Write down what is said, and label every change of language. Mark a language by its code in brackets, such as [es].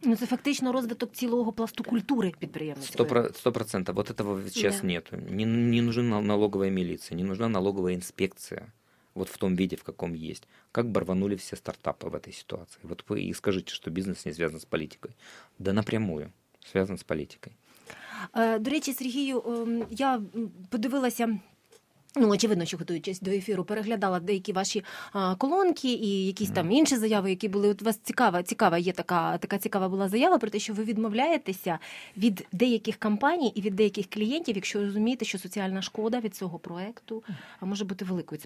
[uk] Ну, це фактично розвиток цілого пласту культури підприємницької. [ru] 100%. Вот этого сейчас нету. Не нужна налоговая милиция, не нужна налоговая инспекция. Вот в том виде, в каком есть. Как бы рванули все стартапы в этой ситуации? Вот вы и скажите, что бизнес не связан с политикой. Да напрямую связан с политикой. [uk] До речі, Сергію, я подивилася, ну, очевидно, що готуючись до ефіру, переглядала деякі ваші колонки і якісь там інші заяви, які були. От у вас цікава є така цікава була заява про те, що ви відмовляєтеся від деяких компаній і від деяких клієнтів, якщо розумієте, що соціальна шкода від цього проєкту може бути великою.